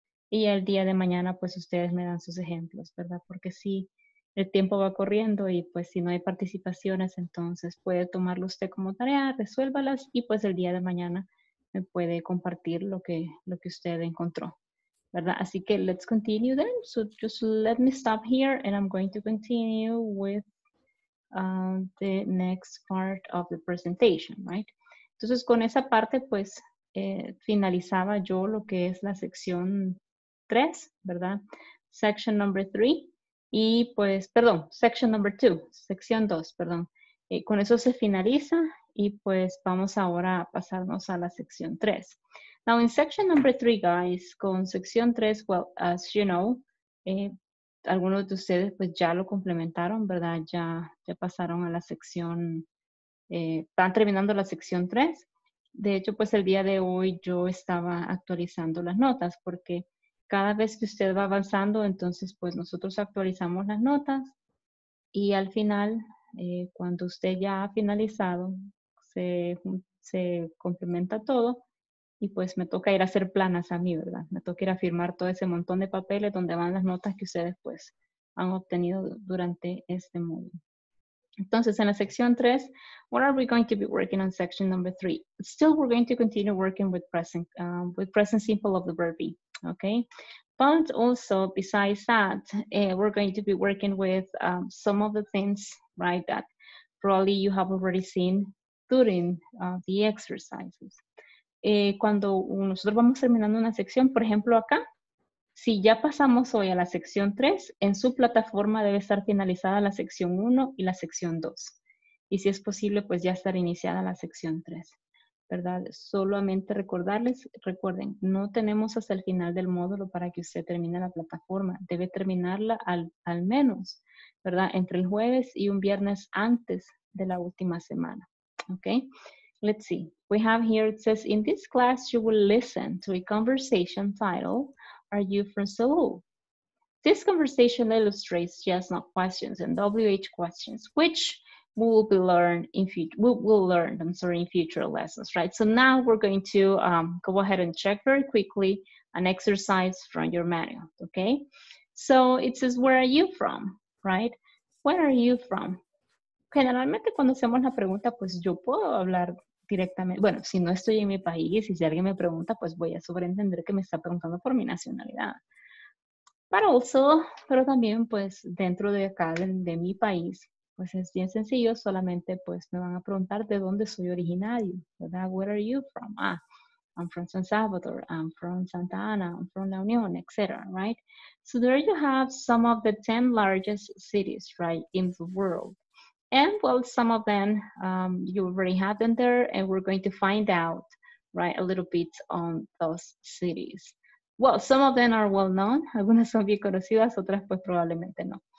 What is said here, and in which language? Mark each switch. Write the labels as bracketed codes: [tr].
[es] Y el día de mañana, pues ustedes me dan sus ejemplos, ¿verdad? Porque sí. El tiempo va corriendo y pues si no hay participaciones, entonces puede tomarlo usted como tarea, resuélvalas y pues el día de mañana me puede compartir lo que usted encontró, ¿verdad? Así que [en] let's continue then. So just let me stop here and I'm going to continue with the next part of the presentation, right? [es] Entonces con esa parte pues finalizaba yo lo que es la sección 3, ¿verdad? [en] Section number 3. [es] Y pues, perdón, [en] section number 2, [es] sección 2, perdón. Con eso se finaliza y pues vamos ahora a pasarnos a la sección 3. [en] Now in section number 3, guys, [es] con sección 3, [en] well, as you know, [es] algunos de ustedes pues ya lo complementaron, ¿verdad? Ya pasaron a la sección, están terminando la sección 3. De hecho, pues el día de hoy yo estaba actualizando las notas porque... Cada vez que usted va avanzando, entonces, pues, nosotros actualizamos las notas y al final, cuando usted ya ha finalizado, se complementa todo y, pues, me toca ir a hacer planas a mí, ¿verdad? Me toca ir a firmar todo ese montón de papeles donde van las notas que ustedes, pues, han obtenido durante este módulo. Entonces, en la sección 3, [en] what are we going to be working on section number 3? Still, we're going to continue working with present simple of the verb be. Okay, but also besides that, we're going to be working with some of the things, right, that probably you have already seen during the exercises. [es] Cuando nosotros vamos terminando una sección, por ejemplo acá, si ya pasamos hoy a la sección 3, en su plataforma debe estar finalizada la sección 1 y la sección 2. Y si es posible, pues ya estar iniciada la sección 3. ¿Verdad? Solamente recordarles, recuerden, no tenemos hasta el final del módulo para que usted termine la plataforma. Debe terminarla al menos, ¿verdad? Entre el jueves y un viernes antes de la última semana. [en] Okay? Let's see. We have here, it says, in this class you will listen to a conversation titled, Are You from Seoul? This conversation illustrates yes, no questions and WH questions, which... We will learn in future lessons, right? So now we're going to go ahead and check very quickly an exercise from your manual, okay? So it says, where are you from? right? Where are you from? [es] Generalmente cuando hacemos la pregunta, pues yo puedo hablar directamente. Bueno, si no estoy en mi país y si alguien me pregunta, pues voy a sobreentender que me está preguntando por mi nacionalidad. Pero también, pues, dentro de acá, de mi país, pues es bien sencillo, solamente, pues, me van a preguntar de dónde soy originario, ¿verdad? [en] Where are you from? Ah, I'm from San Salvador, I'm from Santa Ana, I'm from La Unión, etc., right? So there you have some of the 10 largest cities, right, in the world. And, well, some of them, you already have them there, and we're going to find out, right, a little bit on those cities. Well, some of them are well known. [es] Algunas son bien conocidas, otras pues probablemente no.